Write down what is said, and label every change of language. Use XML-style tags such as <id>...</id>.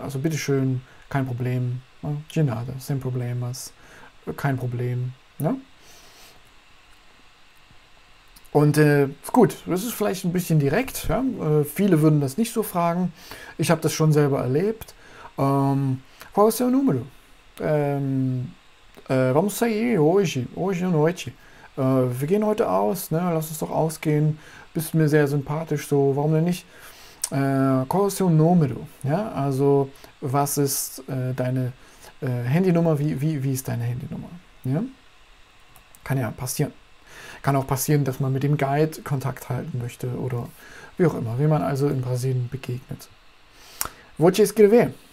<de>Also bitteschön, kein Problem.</de> <pt>De nada, sem problemas,</pt> <de>kein Problem. Ne? Und gut, das ist vielleicht ein bisschen direkt. Ja? Viele würden das nicht so fragen. Ich habe das schon selber erlebt.</de> <pt>Qual o seu número? Vamos sair hoje, hoje à noite.</pt> <de>Wir gehen heute aus, ne? Lass uns doch ausgehen. Bist mir sehr sympathisch, so warum denn nicht?</de> <pt>Qual o seu número?</pt> <de>Ja, also was ist deine Handynummer? Wie ist deine Handynummer? Ja? Kann ja passieren. Kann auch passieren, dass man mit dem Guide Kontakt halten möchte oder wie auch immer, wie man also in Brasilien begegnet.</de> <pt>Vou te escrever.</pt>